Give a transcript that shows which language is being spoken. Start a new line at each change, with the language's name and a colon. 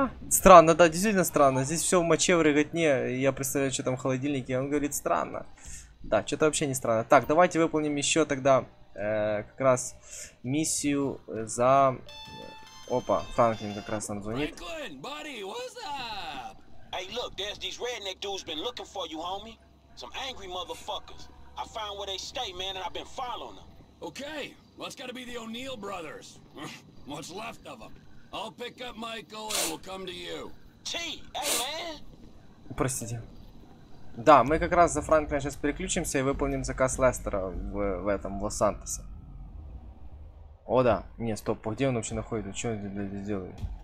Russian: Странно, да, действительно странно. Здесь все в моче, в рыготне. Я представляю, что там в холодильнике. Он говорит, странно. Да, что-то вообще не странно. Так, давайте выполним еще тогда как раз миссию за... Опа, Франклин как раз нам звонит.
English: Franklin, buddy, what's up? Hey, look, there's these redneck dudes been looking for you, homie. Some angry motherfuckers. I found where they stay, man, and I've been following them. Okay, well, it's gotta be the O'Neill brothers. What's left of them. I'll pick up Michael and we'll come to you. T, hey, man!
Russian: Простите. Да, мы как раз за Франклина сейчас переключимся и выполним заказ Лестера в этом, в Лос-Сантосе. О, да. Не, стоп, где он вообще находится? Что он здесь делает?